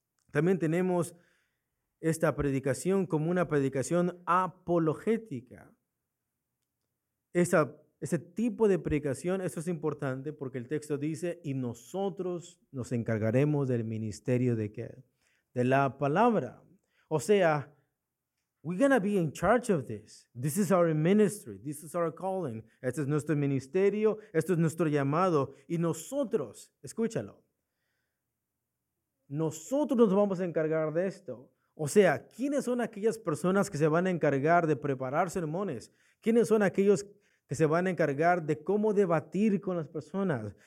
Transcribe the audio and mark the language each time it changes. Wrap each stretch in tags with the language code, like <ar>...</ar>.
<es>También tenemos esta predicación como una predicación apologética. Esta Ese tipo de predicación, eso es importante porque el texto dice, y nosotros nos encargaremos del ministerio de qué? De la palabra. O sea,</es> <en>we're going to be in charge of this. This is our ministry. This is our calling.</en> <es>Este es nuestro ministerio. Esto es nuestro llamado. Y nosotros, escúchalo, nosotros nos vamos a encargar de esto. O sea, ¿quiénes son aquellas personas que se van a encargar de preparar sermones? ¿Quiénes son aquellos que se van a encargar de cómo debatir con las personas?</es>